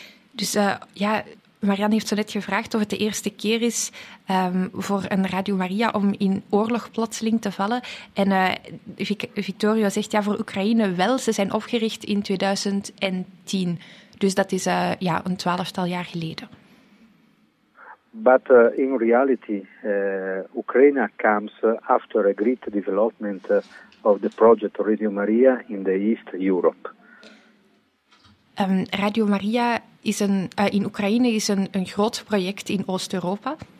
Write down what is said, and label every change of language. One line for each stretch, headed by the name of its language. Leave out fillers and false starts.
Dutch: Dus ja, Marianne heeft zo net gevraagd of het de eerste keer is voor een Radio Maria om in oorlog plotseling te vallen. En Victoria zegt ja, voor Oekraïne wel, ze zijn opgericht in 2010. Dus dat is ja, een 12-tal jaar geleden.
English: But in reality, Ukraine comes after a great development of the project Radio Maria in the East Europe.
Dutch: Radio Maria is een in Oekraïne is een groot project in Oost-Europa.